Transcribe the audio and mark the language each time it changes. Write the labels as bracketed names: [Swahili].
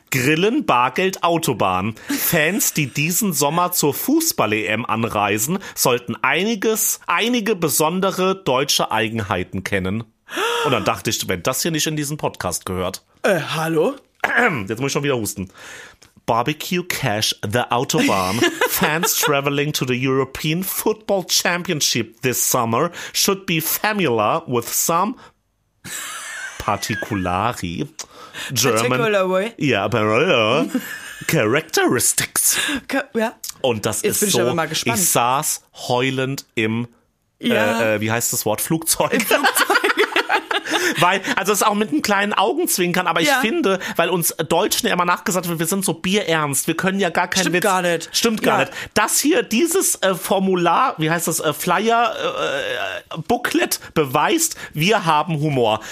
[German] Grillen, Bargeld, Autobahn. Fans, die diesen Sommer zur Fußball-EM anreisen, sollten einige besondere deutsche Eigenheiten kennen. Und dann dachte ich, wenn das hier nicht in diesen Podcast gehört. Hallo? Jetzt muss ich schon wieder husten. [English] Barbecue Cash, the Autobahn, fans traveling to the European Football Championship this summer should be familiar with some particulari German characteristics. [German] Und das jetzt bin so, ich aber mal gespannt. Ich saß heulend im, wie heißt das Wort, Flugzeug. Weil, also es auch mit einem kleinen Augenzwinkern, aber ich finde, weil uns Deutschen ja immer nachgesagt wird, wir sind so bierernst, wir können ja gar keinen Witz. Stimmt gar nicht. Stimmt gar nicht. Das hier, dieses Formular, wie heißt das, Flyer, Booklet, beweist, wir haben Humor.